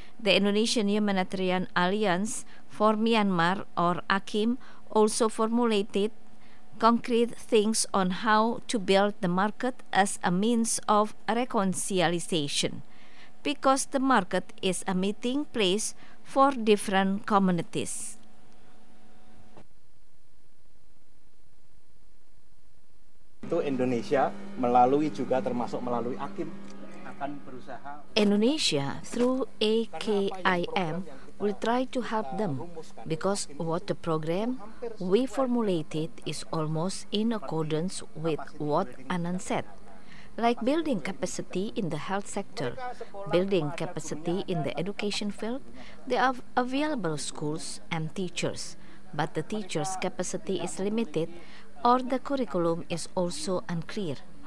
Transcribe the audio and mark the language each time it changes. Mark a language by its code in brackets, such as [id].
[en] The Indonesian Humanitarian Alliance for Myanmar, or AKIM, also formulated concrete things on how to build the market as a means of reconciliation, because the market is a meeting place for different communities. [id] Itu Indonesia melalui juga termasuk melalui AKIM akan berusaha. [en] Indonesia through AKIM will try to help them, because what the program we formulated is almost in accordance with what Anand said. Like building capacity in the health sector, building capacity in the education field, there are available schools and teachers, but the teachers' capacity is limited or the curriculum is also unclear.